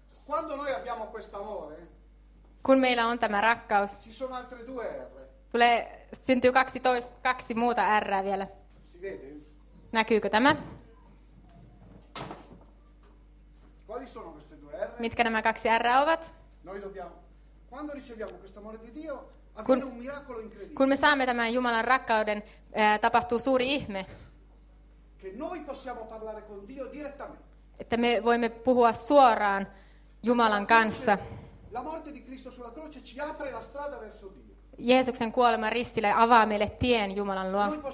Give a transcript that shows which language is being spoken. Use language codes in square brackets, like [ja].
[it] Quando noi abbiamo quest'amore, [fi] kun meillä on tämä rakkaus, [it] ci sono altre due R. [fi] Tulee, syntyy kaksi muuta R:ää vielä. Näkyykö tämä? [it] Quali sono queste due R? [fi] Mitkä nämä kaksi R:ää ovat? [it] Noi dobbiamo, quando riceviamo questo amore di Dio, avviene un miracolo incredibile. [fi] Kun me saamme tämän Jumalan rakkauden, tapahtuu suuri ihme. [it] Che noi possiamo parlare con Dio direttamente. [fi] Että me voimme puhua suoraan Jumalan kanssa. [it] La morte di Cristo sulla croce ci apre la strada verso Dio. [fi] Jeesuksen kuolema ristillä avaa meille tien Jumalan luo.